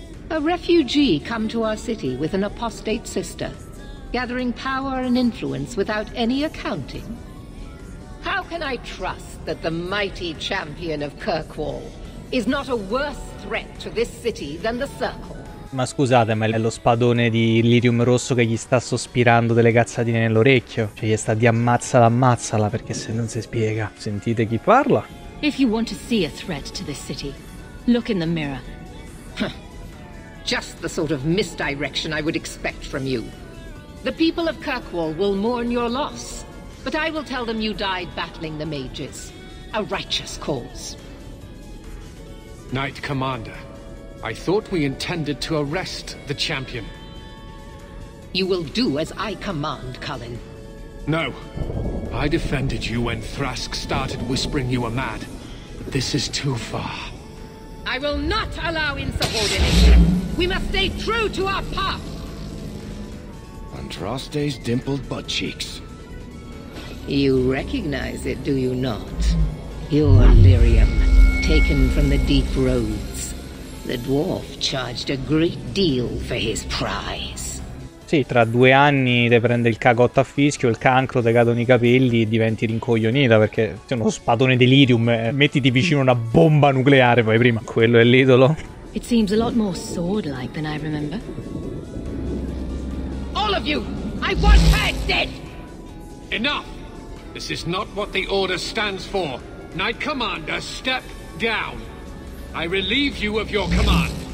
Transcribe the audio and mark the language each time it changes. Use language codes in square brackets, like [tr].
[en] A refugee come to our city with an apostate sister, gathering power and influence without any accounting. How can I trust that the mighty champion of Kirkwall is not a worse threat to this city than the Circle? [it] Ma scusate, ma è lo spadone di Lirium Rosso che gli sta sospirando delle cazzatine nell'orecchio. Cioè gli sta di ammazzala, ammazzala, perché se non si spiega. Sentite chi parla? [en] If you want to see a threat to this city, look in the mirror. Just the sort of misdirection I would expect from you. The people of Kirkwall will mourn your loss, but I will tell them you died battling the mages. A righteous cause. Knight Commander, I thought we intended to arrest the champion. You will do as I command, Cullen. No. I defended you when Thrask started whispering you were mad. This is too far. I will not allow insubordination. We must stay true to our path. Andraste's dimpled butt cheeks. You recognize it, do you not? Your lyrium, taken from the deep roads. The dwarf charged a great deal for his prize. [it] Sì, tra due anni te prende il cagotto a fischio, il cancro, te cadono i capelli e diventi rincoglionita perché sei uno spadone delirium. Mettiti vicino una bomba nucleare, poi prima. Quello è l'idolo. [en] It seems a lot more sword-like than I remember. All of you! I want her dead! Enough! This is not what the order stands for. Knight Commander, step down! I relieve you of your command.